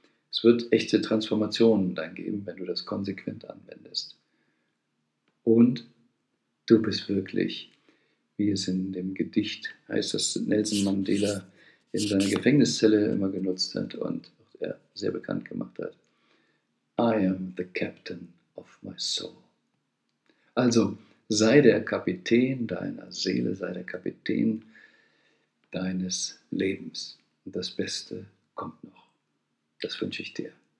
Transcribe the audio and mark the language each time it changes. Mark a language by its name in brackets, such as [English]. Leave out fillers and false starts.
[German] Es wird echte Transformationen dann geben, wenn du das konsequent anwendest. Und du bist wirklich, wie es in dem Gedicht heißt, das Nelson Mandela in seiner Gefängniszelle immer genutzt hat und auch er sehr bekannt gemacht hat. [English] I am the captain of my soul. [German] Also sei der Kapitän deiner Seele, sei der Kapitän deines Lebens. Und das Beste kommt noch. Das wünsche ich dir.